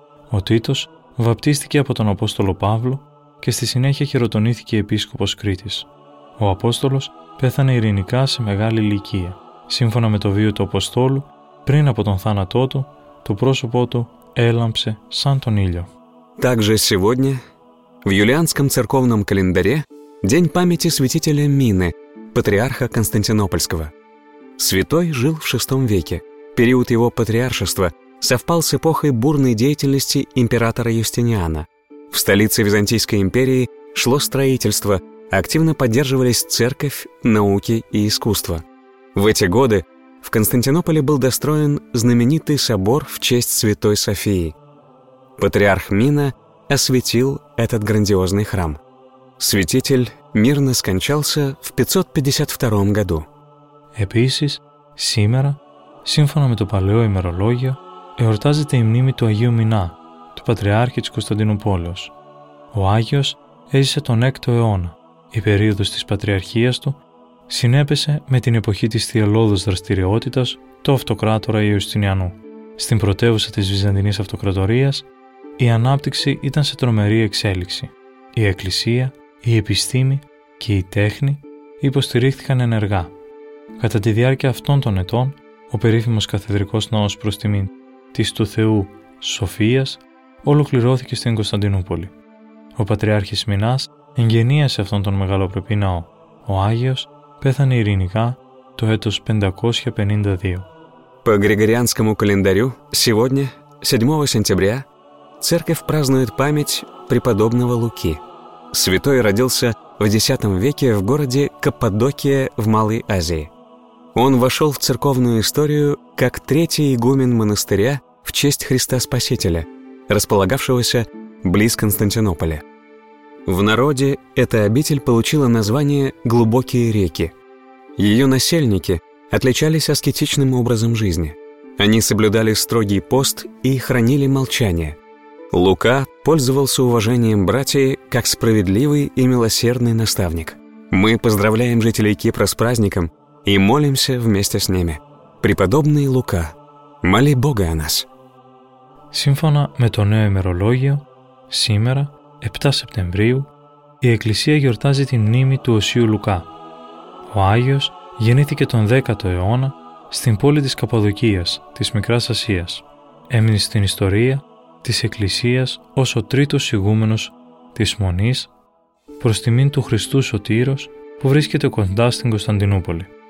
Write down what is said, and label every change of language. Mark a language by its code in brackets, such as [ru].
[el] Ο Τίτος βαπτίστηκε από τον Απόστολο Παύλο και στη συνέχεια χειροτονήθηκε επίσκοπος Κρήτης. Ο Απόστολος πέθανε ειρηνικά σε μεγάλη ηλικία. Σύμφωνα με το βίο του Αποστόλου, πριν από τον θάνατό του, το πρόσωπό του έλαμψε σαν τον ήλιο. [ru] Также сегодня в юлианском церковном календаре день памяти святителя Мины, патриарха Константинопольского. Святой жил в VI веке. Период его патриаршества совпал с эпохой бурной деятельности императора Юстиниана. В столице Византийской империи шло строительство, активно поддерживались церковь, науки и искусство. В эти годы в Константинополе был достроен знаменитый собор в честь Святой Софии. Патриарх Мина осветил этот грандиозный храм. Святитель мирно скончался в 552 году. [el] Επίσης, σήμερα, σύμφωνα με το παλαιό ημερολόγιο, εορτάζεται η μνήμη του Αγίου Μινά, του Πατριάρχη της Κωνσταντινούπολης. Ο Άγιος έζησε τον 6ο αιώνα. Η περίοδος της Πατριαρχίας του συνέπεσε με την εποχή της θυελλώδους δραστηριότητας του Αυτοκράτορα Ιουστινιανού. Στην πρωτεύουσα της Βυζαντινής Αυτοκρατορίας, η ανάπτυξη ήταν σε τρομερή εξέλιξη. Η Εκκλησία, η επιστήμη και η τέχνη υποστηρίχθηκαν ενεργά. Κατά τη διάρκεια αυτών των ετών, ο περίφημος καθεδρικός ναός προς τιμήν της του Θεού Σοφίας ολοκληρώθηκε στην Κωνσταντινούπολη. Ο Πατριάρχης Μινάς εγγενίασε αυτόν τον μεγαλοπρεπή ναό. Ο Άγιος πέθανε ειρηνικά το έτος 552. [ru] По Григорианскому календарю, сегодня, 7 сентября, церковь празднует память преподобного Луки. Святой родился в X веке в городе Каппадокия в Малой Азии. Он вошел в церковную историю как третий игумен монастыря в честь Христа Спасителя, располагавшегося близ Константинополя. В народе эта обитель получила название «Глубокие реки». Ее насельники отличались аскетичным образом жизни. Они соблюдали строгий пост и хранили молчание. Лука пользовался уважением братьев как справедливый и милосердный наставник. Мы поздравляем жителей Кипра с праздником и молимся вместе с ними. Преподобный Лука, моли Бога о нас. [el] Σύμφωνα με το νέο ημερολόγιο, σήμερα, 7 Σεπτεμβρίου, η Εκκλησία γιορτάζει τη μνήμη του Οσίου Λουκά. Ο Άγιος γεννήθηκε τον 10ο αιώνα στην πόλη της Καπαδοκίας, της Μικράς Ασίας. Έμεινε στην ιστορία της Εκκλησίας ως ο τρίτος ηγούμενος της Μονής προς τιμήν του Χριστού Σωτήρος που βρίσκεται κοντά στην Κωνσταντινούπολη.